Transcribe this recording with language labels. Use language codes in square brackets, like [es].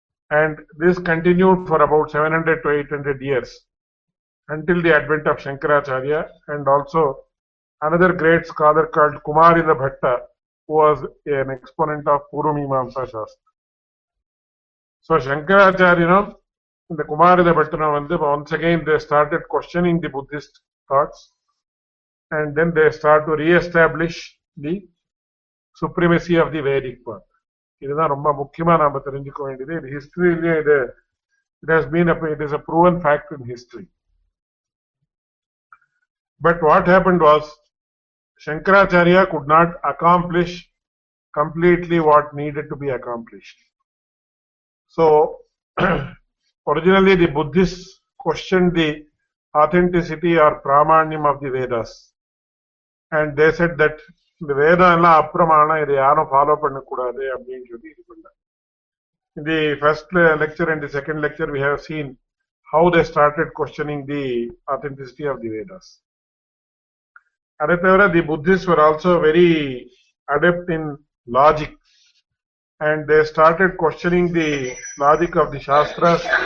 [en] And this continued for about 700 to 800 years until the advent of Shankaracharya and also another great scholar called Kumarila Bhatta, who was an exponent of Purva Mimamsa Shastra. So Shankaracharya, you know, the Kumarila Bhatta, once again they started questioning the Buddhist thoughts, and then they start to re-establish the supremacy of the Vedic path. [ta] இதுதான் ரொம்ப முக்கியமா நாம தெரிஞ்சுக்க வேண்டியது. இது ஹிஸ்டரியிலேயே இது [en] It has been it is a proven fact in history. But what happened was, Shankaracharya could not accomplish completely what needed to be accomplish. So originally the Buddhist question the authenticity or பிராமாண்யம் of the Vedas and they said that [ta] இந்த வேதம் எல்லாம் அப்புறமான இதை யாரும் follow பண்ணக்கூடாது அப்படின்னு சொல்லி இது பண்ண. [en] In the first lecture and the second lecture, we have seen how they started questioning the authenticity of the Vedas. Aritavara, the Buddhists were also very adept in logic, and they started questioning the logic of the Shastras.